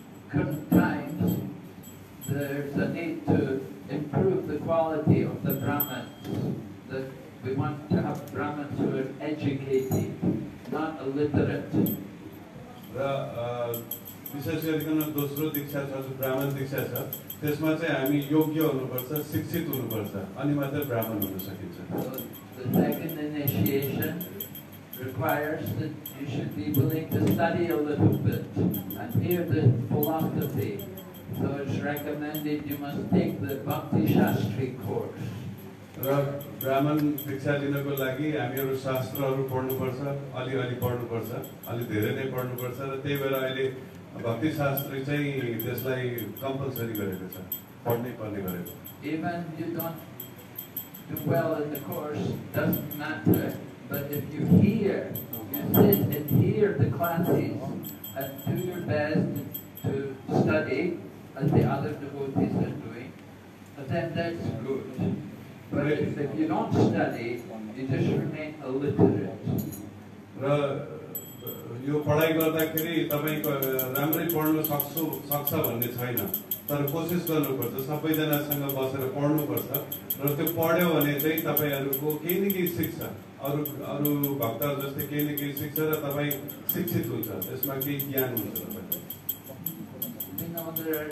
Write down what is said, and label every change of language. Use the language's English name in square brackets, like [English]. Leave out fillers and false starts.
[English] confines, there's a need to improve the quality of the Brahmins. That we want to have Brahmins who are educated, not illiterate. [Nepali] विशेष गरिकन दोस्रो दीक्षा छ जो ब्राह्मण दीक्षा छ त्यसमा चाहिँ हामी योग्य हुनुपर्छ शिक्षित हुनुपर्छ अनि मात्र ब्राह्मण हुन सकिन्छ [English] The second initiation requires that you should be willing to study a little bit and hear the philosophy. So it's recommended you must take the Bhakti Shastri course. [Nepali] र ब्राह्मण दीक्षा लिनको लागि हामीहरू शास्त्रहरू पढ्नुपर्छ अलिअलि पढ्नुपर्छ अलि धेरै नै पढ्नुपर्छ र त्यही भएर अहिले भक्ति शास्त्र चाहिँ त्यसलाई कम्पलसरी गरेको छ पढ्नै पर्ने गरेको [English] Even you don't do well in the course doesn't matter but if you hear you sit and hear the classes and do your best to study as the other devotees are doing then that's good but if you don't study you just remain illiterate [Nepali] यो पढाइ गर्दाखेरि तपाईँ राम्रै पढ्न सक्छु सक्छ भन्ने छैन तर कोसिस गर्नुपर्छ सबैजनासँग बसेर पढ्नुपर्छ र त्यो पढ्यो भने चाहिँ तपाईँहरूको केही न केही सिक्छ अरू अरू भक्तहरू जस्तै केही न केही सिक्छ र तपाईँ शिक्षित हुन्छ त्यसमा केही ज्ञान हुन्छ र